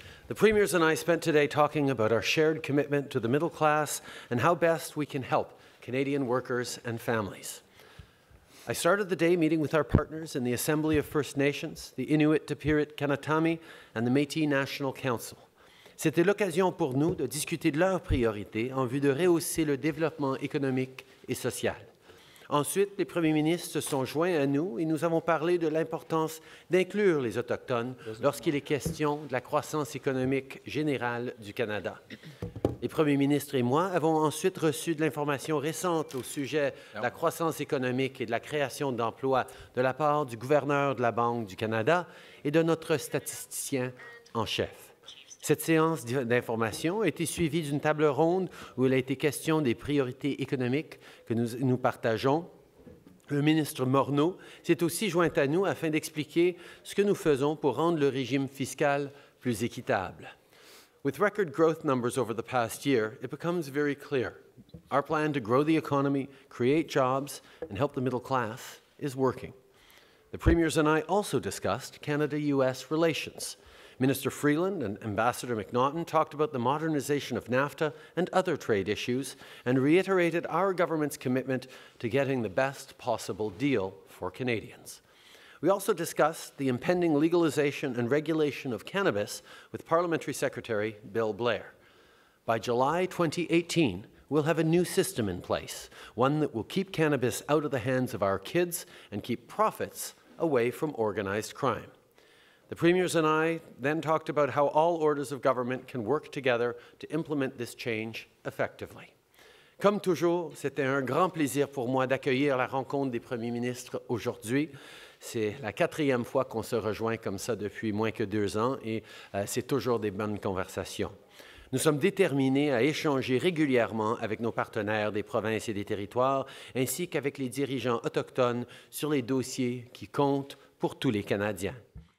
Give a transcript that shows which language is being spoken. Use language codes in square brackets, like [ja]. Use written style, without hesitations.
[en] The Premiers and I spent today talking about our shared commitment to the middle class and how best we can help Canadian workers and families. I started the day meeting with our partners in the Assembly of First Nations, the Inuit Tapirit Kanatami, and the Métis National Council. [fr] C'était l'occasion pour nous de discuter de leurs priorités en vue de rehausser le développement économique et social. Ensuite, les premiers ministres se sont joints à nous et nous avons parlé de l'importance d'inclure les Autochtones lorsqu'il est question de la croissance économique générale du Canada. Les premiers ministres et moi avons ensuite reçu de l'information récente au sujet de la croissance économique et de la création d'emplois de la part du gouverneur de la Banque du Canada et de notre statisticien en chef. Cette séance d'information a été suivie d'une table ronde où il a été question des priorités économiques que nous partageons. Le ministre Morneau s'est aussi joint à nous afin d'expliquer ce que nous faisons pour rendre le régime fiscal plus équitable. [en] With record growth numbers over the past year, it becomes very clear. Our plan to grow the economy, create jobs, and help the middle class is working. The premiers and I also discussed Canada-US relations. Minister Freeland and Ambassador McNaughton talked about the modernization of NAFTA and other trade issues and reiterated our government's commitment to getting the best possible deal for Canadians. We also discussed the impending legalization and regulation of cannabis with Parliamentary Secretary Bill Blair. By July 2018, we'll have a new system in place, one that will keep cannabis out of the hands of our kids and keep profits away from organized crime. The Premiers and I then talked about how all orders of government can work together to implement this change effectively. [fr] Comme toujours, c'était un grand plaisir pour moi d'accueillir la rencontre des premiers ministres aujourd'hui. C'est la quatrième fois qu'on se rejoint comme ça depuis moins que deux ans et c'est toujours des bonnes conversations. Nous sommes déterminés à échanger régulièrement avec nos partenaires des provinces et des territoires, ainsi qu'avec les dirigeants autochtones sur les dossiers qui comptent pour tous les Canadiens.